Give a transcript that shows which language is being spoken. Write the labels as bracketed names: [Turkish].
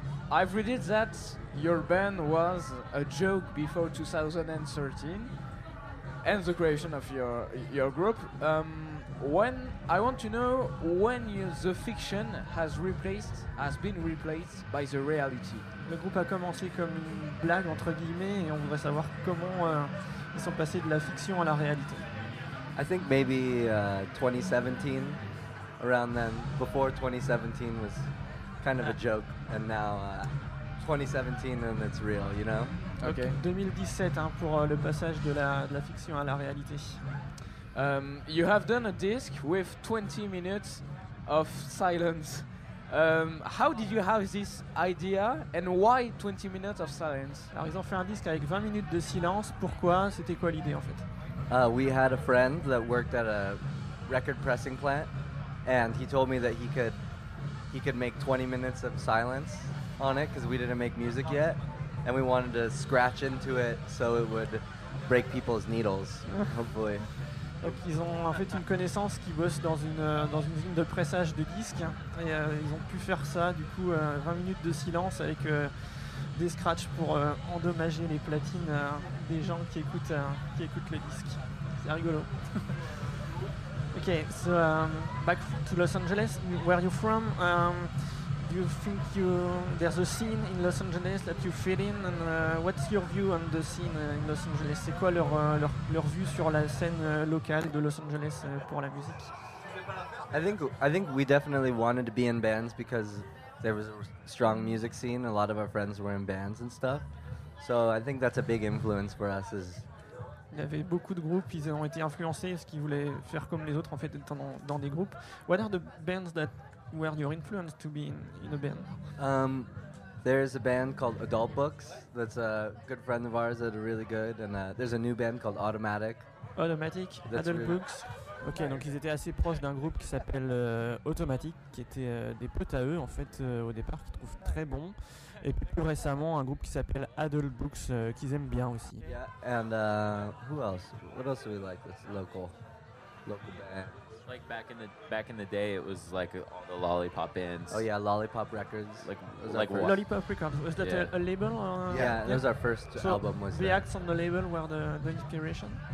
[English] I've read it that your band was a joke before 2013. And the creation of your group. I want to know when the fiction has been replaced by the reality. [French] Le groupe a commencé comme une blague entre guillemets, et on voudrait savoir comment ils sont passés de la fiction à la réalité. [English] I think maybe 2017, around then. Before 2017 was kind of a joke, and now 2017 and it's real, you know. Okay. [French] 2017 hein, pour le passage de la fiction à la réalité. [English] You have done a disc with 20 minutes of silence. How did you have this idea and why 20 minutes of silence? [French] Alors ils ont fait un disque avec 20 minutes de silence. Pourquoi? C'était quoi l'idée en fait? [English] We had a friend that worked at a record pressing plant and he told me that he could make 20 minutes of silence on it because we didn't make music yet. And we wanted to scratch into it so it would break people's needles, hopefully. [French] Donc ils ont en fait une connaissance qui bosse dans une usine de pressage de disques. Et ils ont pu faire ça, du coup, 20 minutes de silence avec des scratchs pour endommager les platines des gens qui écoutent le disque. C'est rigolo. [English] Okay, so back to Los Angeles, where are you from? Do you think there's a scene in Los Angeles that you fit in? And what's your view on the scene in Los Angeles? [French] C'est quoi leur vue sur la scène locale de Los Angeles pour la musique? [English] I think we definitely wanted to be in bands because there was a strong music scene. A lot of our friends were in bands and stuff. So I think that's a big influence for us. [French] Il y avait beaucoup de groupes, ils ont été influencés parce qu'ils voulaient faire comme les autres en fait, étant dans des groupes. [English] What are the bands that were your influence to be in a band? There's a band called Adult Books that's a good friend of ours that are really good, and there's a new band called Automatic. Automatic, Adult really Books. [French] Ok, donc ils étaient assez proches d'un groupe qui s'appelle Automatic, qui était des potes à eux en fait au départ, qui trouvent très bon. Et puis plus récemment, un groupe qui s'appelle Adult Books, qu'ils aiment bien aussi. [English] Yeah, and who else? What else do we like that's local band? Like back in the day, it was like all the Lollipop bands. Oh yeah, Lollipop Records. Lollipop Records. Was that a label? Yeah, that was our first album. Was the acts on the label were the inspiration?